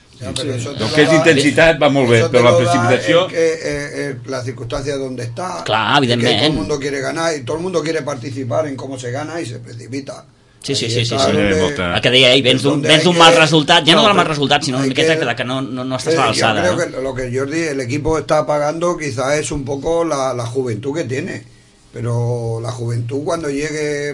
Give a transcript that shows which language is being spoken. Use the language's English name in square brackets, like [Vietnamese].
[Spanish] Lo que es intensidad va muy bien, pero la precipitación. La circunstancia donde está. Claro, evidentemente. Todo el mundo quiere ganar y todo el mundo quiere participar en cómo se gana y se precipita. Sí, sí, sí, sí, sí. [Catalan] A que deia, vens d'un mal resultat, ja no del mal resultat, sinó una miqueta que no estàs a l'alçada. [Spanish] Yo creo que lo que Jordi, el equipo está apagando, quizá es un poco la juventud que tiene. Pero la juventud cuando llegue